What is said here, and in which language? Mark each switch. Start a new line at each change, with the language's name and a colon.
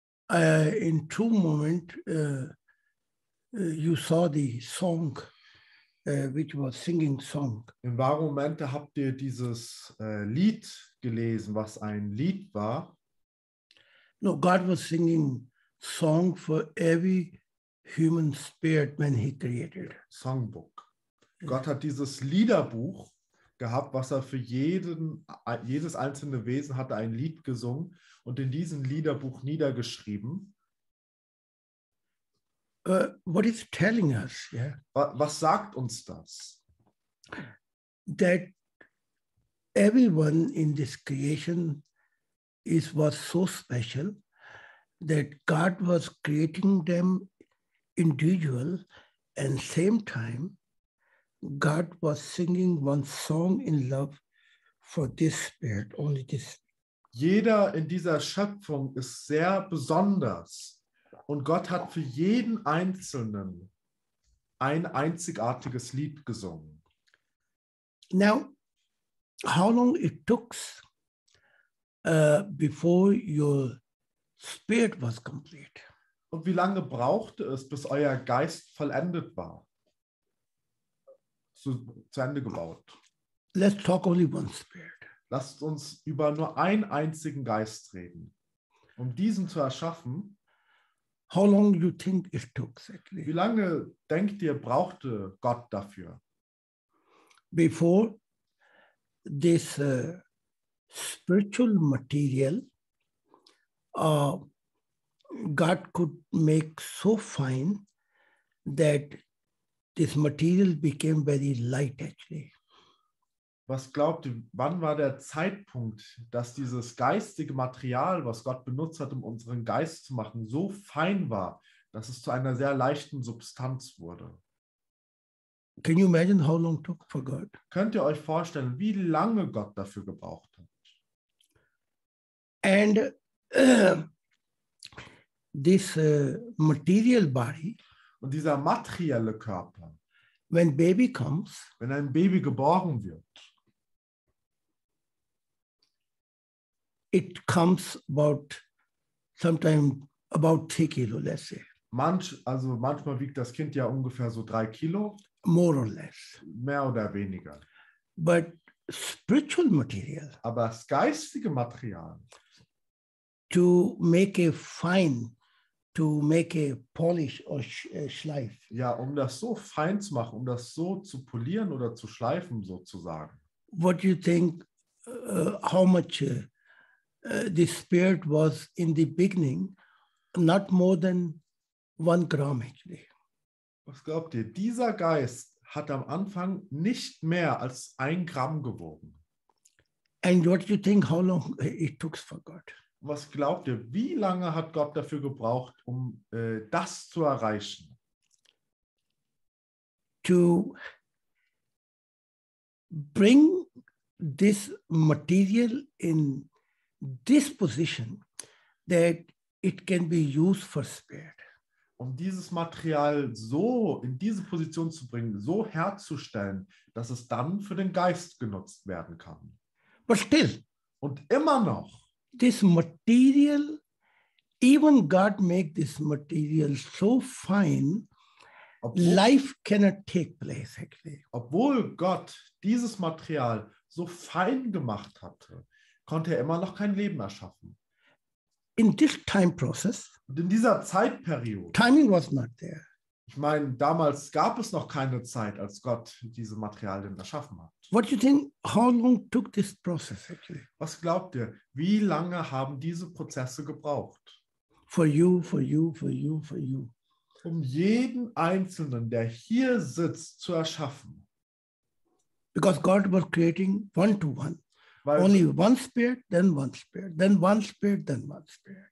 English: In two moment, you saw the song, which was singing song.
German: In wahren Momente habt ihr dieses Lied gelesen, was ein Lied war.
English: No, God was singing song for every human spirit when he created songbook.
German: Gott hat dieses Liederbuch gehabt, was er für jedes einzelne Wesen hatte, ein Lied gesungen und in diesem Liederbuch niedergeschrieben.
English: What is telling us? Yeah.
German: Was sagt uns das?
English: That everyone in this creation was so special that God was creating them individual and same time God was singing one song in love for this spirit, only this.
German: Jeder in dieser Schöpfung ist sehr besonders und Gott hat für jeden Einzelnen ein einzigartiges Lied gesungen.
English: Now, how long it took before your spirit was complete?
German: Und wie lange brauchte es, bis euer Geist vollendet war? Zu Ende gebaut.
English: Let's talk only one spirit.
German: Lasst uns über nur einen einzigen Geist reden. Um diesen zu erschaffen,
English: how long you think it took exactly?
German: Wie lange, denkt ihr, brauchte Gott dafür?
English: Before this spiritual material, God could make so fine that this material became very light, actually.
German: Was glaubt ihr, wann war der Zeitpunkt, dass dieses geistige Material, was Gott benutzt hat, um unseren Geist zu machen, so fein war, dass es zu einer sehr leichten Substanz wurde?
English: Can you imagine how long took for God?
German: Könnt ihr euch vorstellen, wie lange Gott dafür gebraucht hat?
English: And this material body.
German: Und dieser materielle Körper.
English: When baby comes.
German: Wenn ein Baby geboren wird.
English: It comes about 3 kilo, let's say.
German: Manchmal wiegt das Kind ja ungefähr so 3 Kilo.
English: More or less.
German: Mehr oder weniger.
English: But spiritual material.
German: Aber das geistige Material.
English: To make a fine, to make a polish or schleif.
German: Ja, um das so fein zu machen, um das so zu polieren oder zu schleifen, sozusagen.
English: What do you think, how much the spirit was in the beginning? Not more than 1 gram, actually.
German: Was glaubt ihr? Dieser Geist hat am Anfang nicht mehr als 1 Gramm gewogen.
English: And what do you think, how long it took for God?
German: Was glaubt ihr, wie lange hat Gott dafür gebraucht, um das zu erreichen?
English: To bring this material in this position that it can be used for spirit.
German: Um dieses Material so in diese Position zu bringen, so herzustellen, dass es dann für den Geist genutzt werden kann.
English: But still.
German: Und immer noch.
English: This material, even God make this material so fine, life cannot take place actually.
German: Obwohl Gott dieses Material so fein gemacht hatte, konnte er immer noch kein Leben erschaffen.
English: In this time process,
German: und in dieser Zeitperiode,
English: timing was not there.
German: Ich meine, damals gab es noch keine Zeit, als Gott diese Materialien erschaffen hat.
English: What do you think, how long took this process actually?
German: Was glaubt ihr, wie lange haben diese Prozesse gebraucht?
English: For you.
German: Um jeden Einzelnen, der hier sitzt, zu erschaffen.
English: Because God was creating one to one.
German: Weil
English: only one spirit, then one spirit, then one spirit, then one spirit.